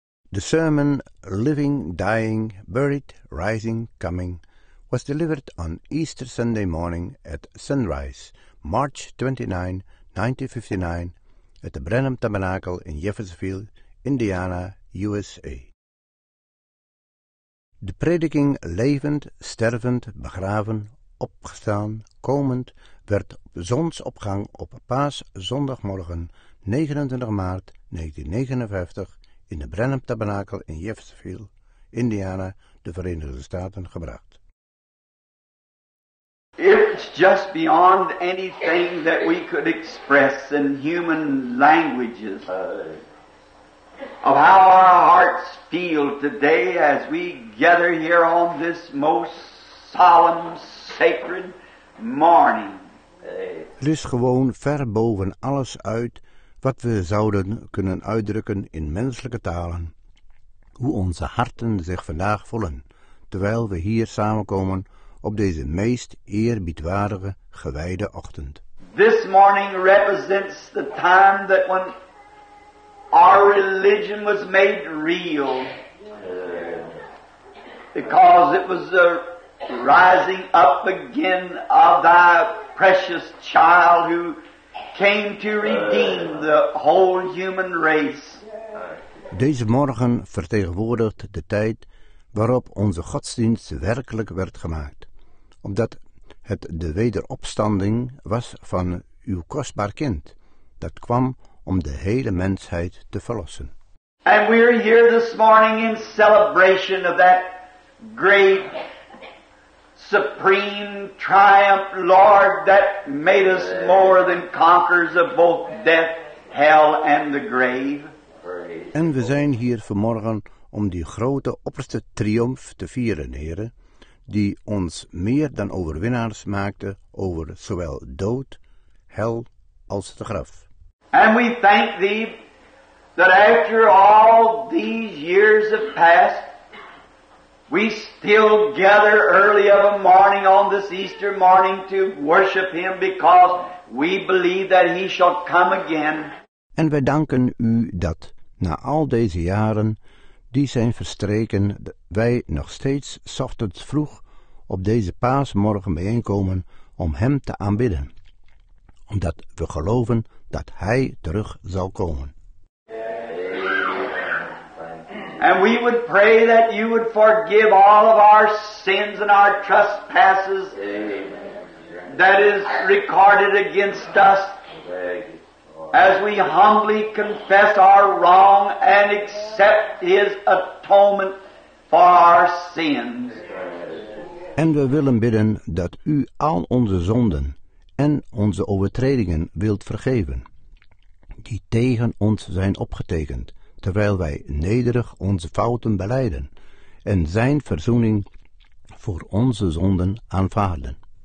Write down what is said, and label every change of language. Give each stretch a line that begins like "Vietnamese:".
English: The sermon, Living, Dying, Buried, Rising, Coming, was delivered on Easter Sunday morning at sunrise, March 29, 1959, at the Brenham Tabernacle in Jeffersonville, Indiana, USA.
Dutch: De prediking levend, stervend, begraven, opgestaan, komend, werd op zonsopgang op paaszondagmorgen 29 maart 1959 in de Brenham Tabernacle in Jeffersonville, Indiana, de Verenigde Staten gebracht.
English: It's just beyond anything that we could express in human languages of how our hearts feel today as we gather here on this most solemn, sacred morning.
Dutch: Er is gewoon ver boven alles uit wat we zouden kunnen uitdrukken in menselijke talen, hoe onze harten zich vandaag voelen, terwijl we hier samenkomen op deze meest eerbiedwaardige gewijde ochtend.
English: This morning represents the time that when our religion was made real, because it was the rising up again of thy precious child who came to redeem the whole human race.
Dutch: Deze morgen vertegenwoordigt de tijd waarop onze godsdienst werkelijk werd gemaakt, omdat het de wederopstanding was van uw kostbaar kind dat kwam om de hele mensheid te verlossen.
English: And we are here this morning in celebration of that great supreme triumph, Lord, that made us more than conquerors of both death, hell and the grave.
Dutch: En we zijn hier vanmorgen om die grote opperste triomf te vieren, Heere, die ons meer dan overwinnaars maakte over zowel dood, hel als de graf.
English: And we thank thee that after all these years have passed, we still gather early of a morning on this Easter morning to worship him because we believe that he shall come again.
Dutch: En wij danken u dat na al deze jaren die zijn verstreken, wij nog steeds 's ochtends vroeg op deze paasmorgen bijeenkomen om hem te aanbidden, omdat we geloven dat hij terug zal komen.
English: And we would pray that you would forgive all of our sins and our trespasses that is recorded against us as we humbly confess our wrong and accept his atonement for our sins.
Dutch: En we willen bidden dat u al onze zonden en onze overtredingen wilt vergeven die tegen ons zijn opgetekend, terwijl wij nederig onze fouten beleiden en zijn verzoening voor onze zonden aanvaarden.